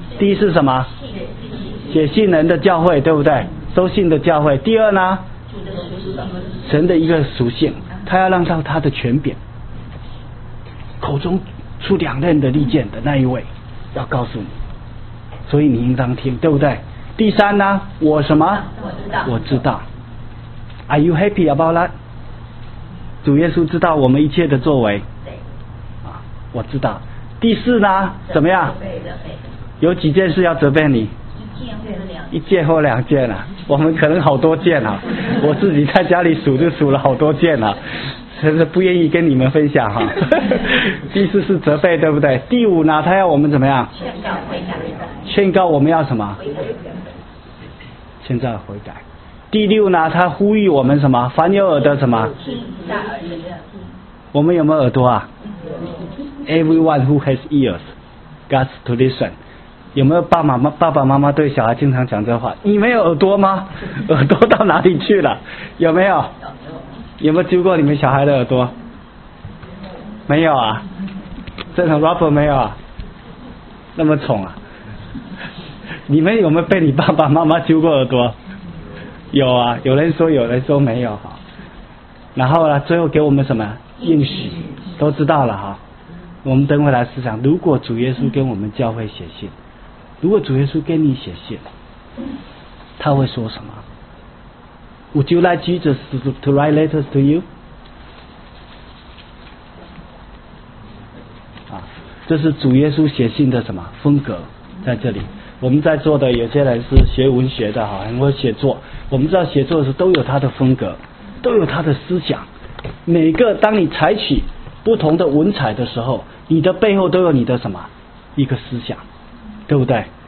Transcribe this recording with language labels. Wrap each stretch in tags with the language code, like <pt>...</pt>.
<zh>第一是什么？写信人的教会，对不对？收信的教会。第二呢？神的一个属性，他要让到他的权柄，口中出两刃的利剑的那一位要告诉你，所以你应当听，对不对？第三呢？我什么？我知道。我知道。</zh> <en>Are you happy about that？</en> <zh>主耶稣知道我们一切的作为，对，啊，我知道。第四呢，怎么样？有几件事要责备你？一件或两件啊，我们可能好多件啊，我自己在家里数就数了好多件啊，真是不愿意跟你们分享哈、啊。第四是责备，对不对？第五呢，他要我们怎么样？劝告我们要什么？现在悔改。第六呢，他呼吁我们什么？凡有耳的什么？我们有没有耳朵啊 ？</zh> <en>Everyone who has ears, got to listen。</en> <zh>有没有爸爸妈妈对小孩经常讲这话？你没有耳朵吗？耳朵到哪里去了？有没有？有没有揪过你们小孩的耳朵？没有啊，这种 rubber 没有啊，那么宠啊？你们有没有被你爸爸妈妈揪过耳朵？有啊，有人说有人说没有哈，然后呢最后给我们什么应许都知道了哈。我们等会来思想，如果主耶稣跟我们教会写信，如果主耶稣跟你写信，他会说什么？</zh> <en>Would you like Jesus to write letters to you？</en> <zh>啊，这是主耶稣写信的什么风格。在这里我们在座的有些人是学文学的哈，很多写作，我们知道写作的时候都有他的风格，都有他的思想。每个当你采取不同的文采的时候，你的背后都有你的什么一个思想，对不对？</zh>